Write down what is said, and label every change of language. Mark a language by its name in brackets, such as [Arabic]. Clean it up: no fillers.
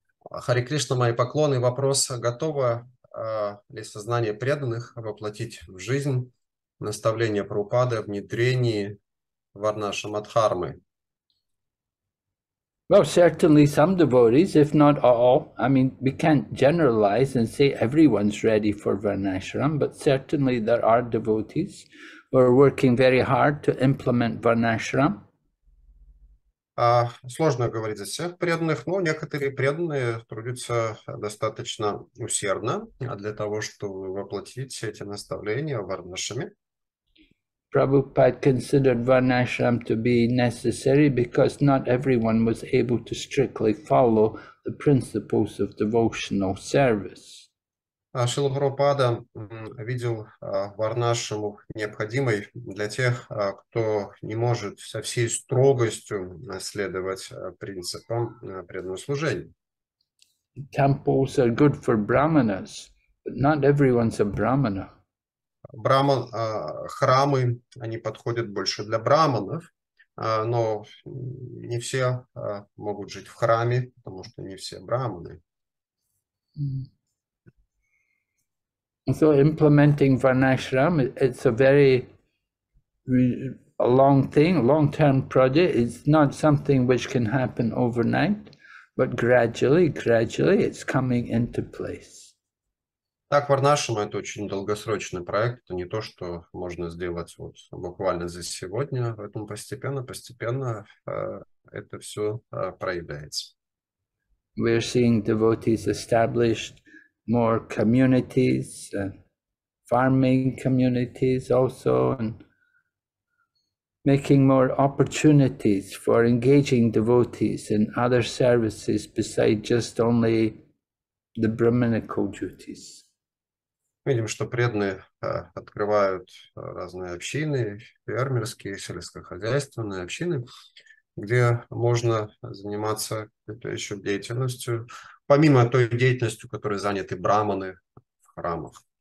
[Russian] Hare Krishna, мои поклоны, вопрос, готово ли сознание преданных воплотить в жизнь наставление Прабхупады о внедрении Варнашрама Дхармы? [English] Well, certainly some devotees, if not all. I mean, we can't generalize and say everyone's ready for Varnashram, but certainly there are devotees who are working very hard to implement Varnashram. [Russian] Сложно говорить за всех преданных, но некоторые преданные трудятся достаточно усердно для того, чтобы воплотить эти наставления в Варнашраме. [English] Prabhupada considered Varnashram to be necessary because not everyone was able to strictly follow the principles of devotional service. [Russian] Шрила Прабхупада видел Варнашраму необходимой для тех, кто не может со всей строгостью следовать принципам преданного служения. [English] Temples are good for brahmanas, but not everyone's a brahmana. [Russian] Храмы, они подходят больше для браманов, но не все могут жить в храме, потому что не все браманы. [English] So implementing Varnashram, it's a very a long thing, long-term project. It's not something which can happen overnight, but gradually, gradually it's coming into place. [Russian] Так, Варнашрама — это очень долгосрочный проект, это не то, что можно сделать вот буквально за сегодня, поэтому постепенно, постепенно это все проявляется. [English] We're seeing devotees established, more communities, farming communities also, and making more opportunities for engaging devotees in other services besides just only the brahminical duties. [Russian] Видим, что преданные открывают разные общины, фермерские, сельскохозяйственные общины, где можно заниматься какой-то еще деятельностью, помимо той деятельностью, которой заняты брахманы в храмах.